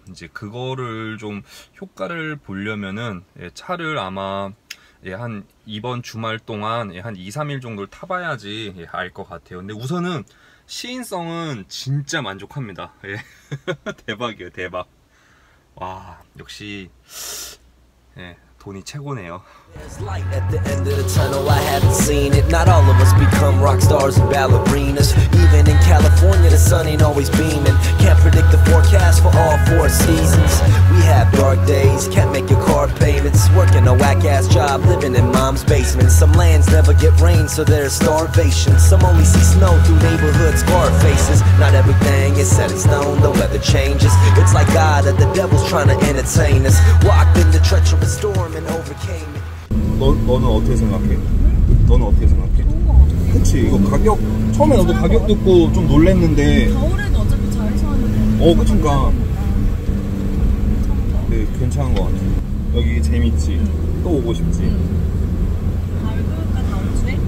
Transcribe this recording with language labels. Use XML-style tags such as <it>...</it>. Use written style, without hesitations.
<ko>이제 그거를 좀 효과를 보려면은 차를 아마 한 이번 주말 동안 한 2-3일 정도를 타봐야지 알 것 같아요. 근데 우선은 시인성은 진짜 만족합니다. 예. 대박이에요, 대박. 와, 역시 예, 돈이 최고네요.</ko> <en>There's light at the end of the tunnel, I haven't seen it. Not all of us become rock stars and ballerinas. Even in California, the sun ain't always beaming. Can't predict the forecast for all four seasons. We have dark days, can't make your car payments. Working a whack-ass job, living in mom's basement. Some lands never get rain, so there's starvation. Some only see snow through neighborhood scar faces. Not everything is set in stone, the weather changes. It's like God or the devil's trying to entertain us. Walked in the treacherous storm and overcame it.</en> <ko>너는 어떻게 생각해? 너는 어떻게 생각해? 좋은 거 같아. 그치? 이거 가격 처음에 나도 가격 듣고 좀 놀랬는데 겨울에도 어차피 잘 차는데 그러니까 괜찮다. 네, 괜찮은 거 같아. 여기 재밌지? 또 오고 싶지? 다음 주에?</ko>